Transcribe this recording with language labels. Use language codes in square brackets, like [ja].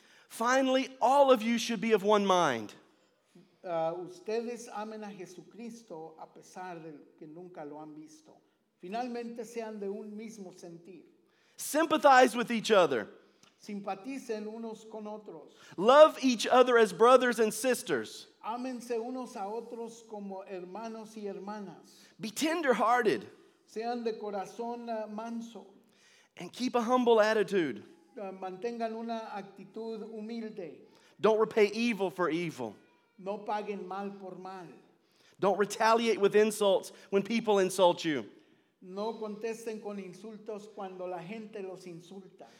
[en] Finally, all of you should be of one mind. [es] Ustedes amen a Jesucristo a pesar de que nunca lo han visto. Finalmente sean de un mismo sentir. [en] Sympathize with each other. [es] Simpaticen unos con otros. [en] Love each other as brothers and sisters. [es] Ámense unos a otros como hermanos y hermanas. [en] Be tender-hearted. [es] Sean de corazón manso. [en] And keep a humble attitude. [es] Mantengan una actitud humilde. [en] Don't repay evil for evil. [es] No paguen mal por mal. [en] Don't retaliate with insults when people insult you. [es] No contesten con insultos cuando la gente los insulta.